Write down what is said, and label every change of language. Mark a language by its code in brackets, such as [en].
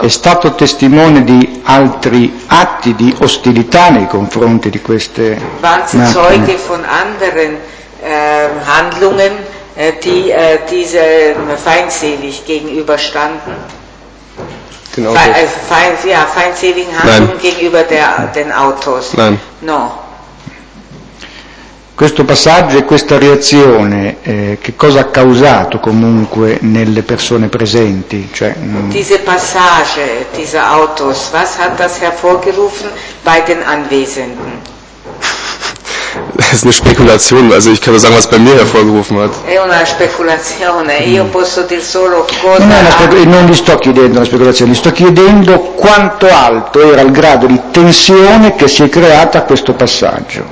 [it] È stato testimone di altri atti di ostilità nei confronti di queste macchine. [de] Waren Sie Zeuge von anderen Handlungen, die diese feindselig gegenüberstanden? Feindseligen Handlungen. Nein. Gegenüber den Autos? Nein. [it] No. Questo passaggio e questa reazione, che cosa ha causato comunque nelle persone presenti? Cioè, [de] diese Passage, diese Autos, was hat das hervorgerufen bei den Anwesenden? Das ist eine Spekulation, also ich kann nur sagen, was bei mir hervorgerufen hat. [it] È una speculazione, io posso dir solo cosa. Non, non gli sto chiedendo una speculazione, gli sto chiedendo quanto alto era il grado di tensione che si è creata a questo passaggio.